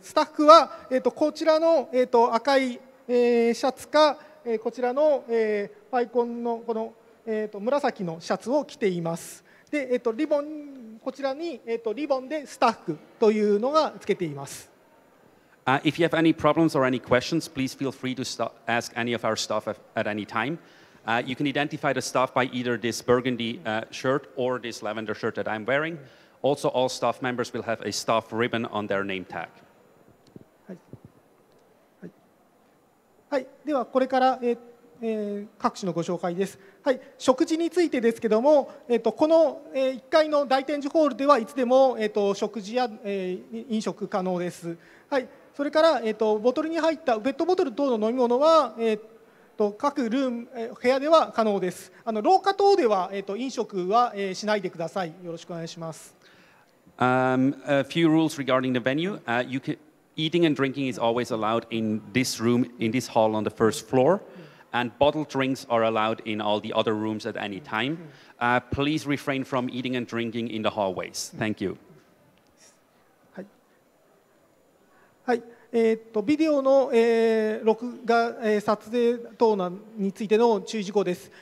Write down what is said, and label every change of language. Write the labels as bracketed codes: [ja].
[ja] スタッフは、こちらの、赤い、シャツか、こちらの、パイコンのこの、紫のシャツを着ています。で、リボン、こちらに、リボンでスタッフというのがつけています。 [en] If you have any problems or any questions, please feel free to ask any of our staff at any time. You can identify the staff by either this burgundy shirt or this lavender shirt that I'm wearing. Also, all staff members will have a staff ribbon on their name tag. [ja] はい、ではこれから、各種のご紹介です、はい、食事についてですけども、この、1階の大展示ホールではいつでも、食事や、飲食可能です、はい、それから、ボトルに入ったペットボトル等の飲み物は、各ルーム、部屋では可能です。あの廊下等では、飲食は、しないでください。よろしくお願いします。 [en] A few rules regarding the venue. You can, eating and drinking is always allowed in this room, in this hall on the first floor. And bottled drinks are allowed in all the other rooms at any time. Please refrain from eating and drinking in the hallways. Thank you. [ja] はい。はい。ビデオの、録画、撮影等についての注意事項です。